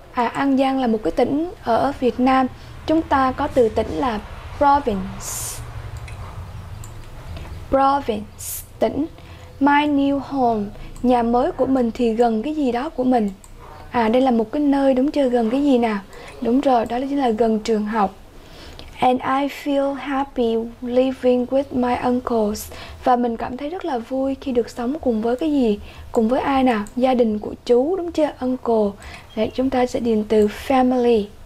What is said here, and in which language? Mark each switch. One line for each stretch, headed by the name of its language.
Vietnamese: An Giang là một cái tỉnh ở Việt Nam. Chúng ta có từ tỉnh là province. Province, tỉnh.
English: My new home,
Vietnamese: nhà mới của mình thì gần cái gì đó của mình. Đây là một cái nơi, đúng chưa? Gần cái gì nào? Đúng rồi, đó chính là gần trường học.
English: And I feel happy living with my uncles.
Vietnamese: Và mình cảm thấy rất là vui khi được sống cùng với cái gì? Cùng với ai nào? Gia đình của chú, đúng chưa? Uncle. Để chúng ta sẽ điền từ family.